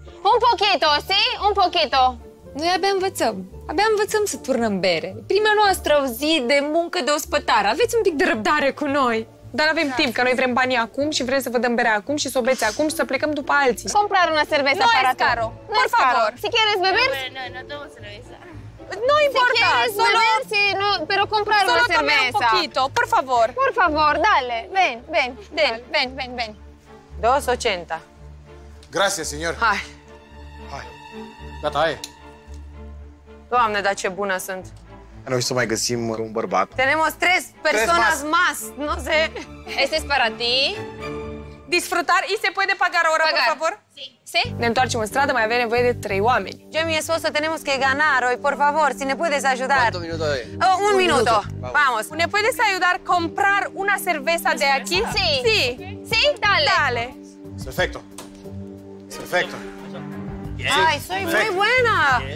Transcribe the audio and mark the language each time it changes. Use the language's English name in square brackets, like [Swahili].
[Spanish] Un pochito, si? Un pochito. [Romanian] Noi abia învățăm. Abia învățăm să turnăm bere. Prima noastră zi de muncă de ospătar. Aveți un pic de răbdare cu noi. Dar avem Grazie. Timp, că noi vrem banii acum și vrem să vă dăm bere acum și să o beți acum și să plecăm după alții. [Spanish] Comprar una cerveza no para caro. No por favor. Si quieres beber? No, no, no, două cerveza. No importa. Si quieres beber, no, pero comprar una cerveza. Solo un pochito, por favor. Por favor, dale. Ven, ven, ven, ven, ven, ven. 280. Grazie, señor. [Romanian] Hai. Gata, hai. Doamne, dar ce bună sunt. Nu știu să mai găsim un bărbat. [Spanish] Tenemos tres personas tres más. No sé. Este para ti. Disfrutar. Y se puede pagar ahora, pagar. Por favor? Sí. [Romanian] Ne întoarcem în stradă, mai avem nevoie de trei oameni. [Spanish] Yo, mi esposo, tenemos que ganar hoy, por favor, si ne puedes ayudar. ¿Cuánto minuto hay? Un minuto. Vamos. ¿Ne puedes ayudar a comprar una cerveza de aquí? Sí. Sí. Sí, dale. Dale. Perfecto. Perfecto. Ay, soy muy buena.